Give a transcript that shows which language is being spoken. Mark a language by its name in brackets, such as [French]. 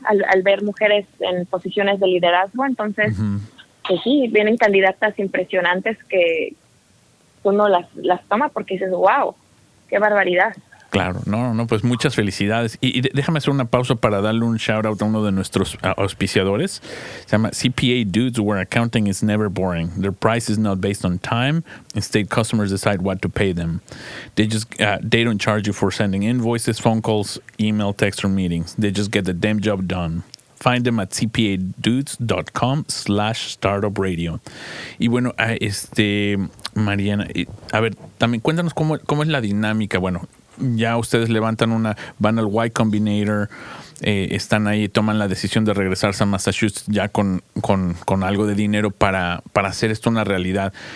[Spanish] Al ver mujeres en posiciones de liderazgo, entonces... Uh-huh. Que sí, vienen candidatas impresionantes que uno las toma porque dices, wow, qué barbaridad. Claro, no, pues muchas felicidades. Y déjame hacer una pausa para darle un shout out a uno de nuestros auspiciadores. Se llama [English] CPA Dudes, where accounting is never boring. Their price is not based on time. Instead, customers decide what to pay them. They don't charge you for sending invoices, phone calls, email, text, or meetings. They just get the damn job done. Find them at cpadudes.com/startupradio. [Spanish] Y bueno, Mariana, a ver, también cuéntanos cómo es la dinámica. Bueno, ya ustedes levantan una, van al Y Combinator, están ahí, toman la decisión de regresarse a Massachusetts ya con algo de dinero para hacer esto una realidad.